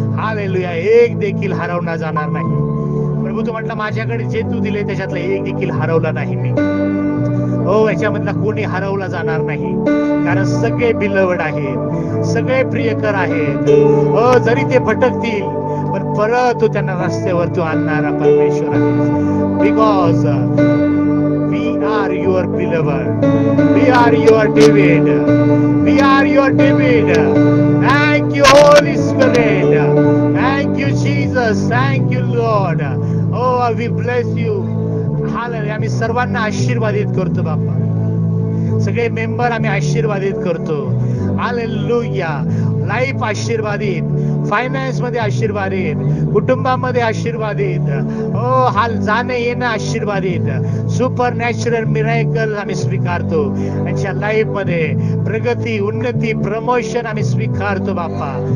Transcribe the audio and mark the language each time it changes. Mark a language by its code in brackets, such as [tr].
[mr] Hallelujah, एक देखील हरवला जाणार नाही. प्रभू तू म्हटलं माझ्याकडे जे तू दिले त्याच्यातला एक देखील हरवला नाही मी. ओ याच्यामधला कोणी हरवला जाणार नाही, कारण सगळे बिलवड आहेत, सगळे प्रियकर आहेत. ओ जरी ते भटकतील पण परत तू त्यांना रस्त्यावर तू आणणारा परमेश्वर आहे. [en] Because we are your beloved, we are your David, we are your David. Thank you Holy Spirit, thank you Jesus, thank you Lord. Oh we bless you. [mr] Hallelujah, आम्ही सर्वांना आशीर्वादित करतो बापा, सगळे मेंबर आम्ही आशीर्वादित करतो. हालेलुया, लाईफ आशीर्वादित, फायनान्स मध्ये आशीर्वादित, कुटुंबामध्ये आशीर्वादित. ओ हाल जाणे येणं आशीर्वादित, सुपर नॅचरल मिरायकल आम्ही स्वीकारतो त्यांच्या लाईफ मध्ये, प्रगती उन्नती प्रमोशन आम्ही स्वीकारतो बापा.